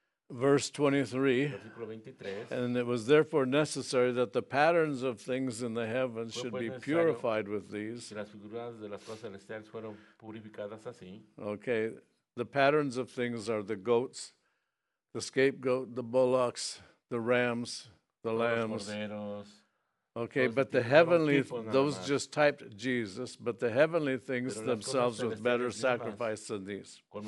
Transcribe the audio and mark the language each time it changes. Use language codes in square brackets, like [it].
[en] 23, and it was therefore necessary that the patterns of things in the heavens should be purified with these. [es] Las figuras de las cosas celestiales fueron purificadas así. [en] Okay, the patterns of things are the goats, the scapegoat, the bullocks, the rams, the lambs. Okay, but the heavenly, those just typed Jesus, but the heavenly things themselves with better sacrifice than these.